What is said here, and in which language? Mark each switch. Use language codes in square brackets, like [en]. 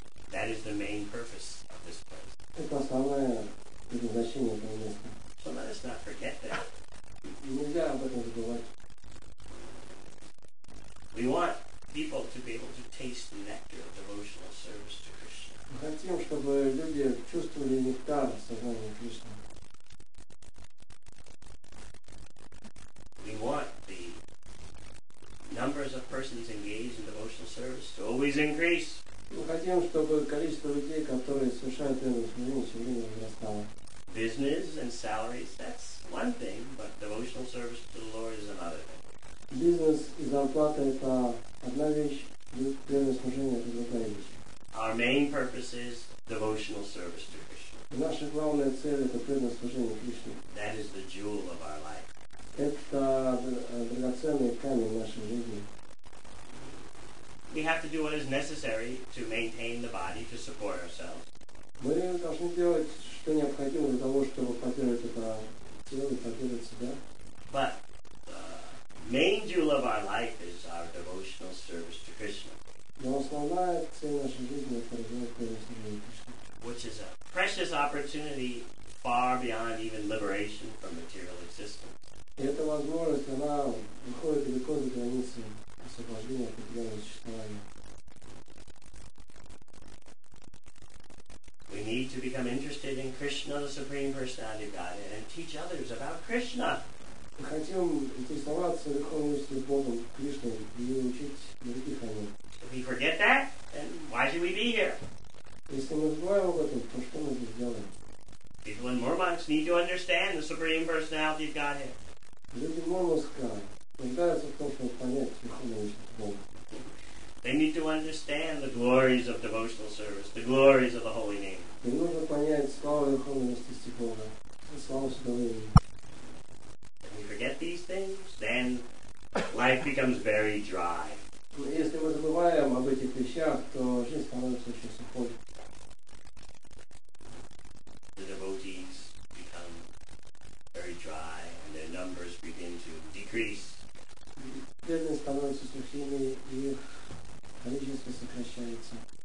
[en] That is the main purpose of this place. [ru] Это основное предназначение этого места. [en] So let us not forget that. [ru] Нельзя об этом забывать. [en] We want people to be able to taste the nectar of devotional service to Krishna. [ru] Мы хотим, чтобы люди чувствовали нектар сознания Кришны. [en] We want the numbers of persons engaged in devotional service to always increase. [ru] Мы хотим, чтобы количество людей, которые совершают преданное служение, все время возрастало. [en] Business and salaries, that's one thing, but devotional service to the Lord is another thing. [ru] Бизнес и зарплата – это одна вещь, преданное служение – это другая вещь. [en] Our main purpose is devotional service to Krishna. [ru] Наша главная цель – это преданное служение Кришне. [en] That is the jewel of our life. [ru] Это драгоценный камень нашей жизни. [en] We have to do what is necessary to maintain the body to support ourselves. [ru] Мы должны делать, что необходимо для того, чтобы поддерживать это тело и поддерживать себя. [en] But the main jewel of our life is our devotional service to Krishna. [ru] Но основная цель нашей жизни – это преданное служение Кришне. [en] Which is a precious opportunity far beyond even liberation from material existence. [ru] И эта возможность, она выходит далеко за границы. Освобождение от материального существования. [en] We need to become interested in Krishna, the Supreme Personality of Godhead, and teach others about Krishna. [ru] Мы хотим интересоваться Верховной Богом Кришной и учить других о нем. [en] If we forget that, then why should we be here? [ru] Если мы забываем об этом, то что мы здесь делаем? [en] People in Murmansk need to understand the Supreme Personality of Godhead. [ru] Люди в Мурманске нуждаются в том, чтобы понять Верховную Личность Бога. [en] They need to understand the glories of devotional service, the glories of the holy name. [ru] Им нужно понять славу Верховной Личности Бога, славу Святого Имени. [en] If we forget these things, then life becomes very dry. [ru] Если мы забываем об этих вещах, то жизнь становится очень сухой. [en] The devotees become very dry and their numbers begin to decrease. [ru] Преданные становятся сухими, и их количество сокращается.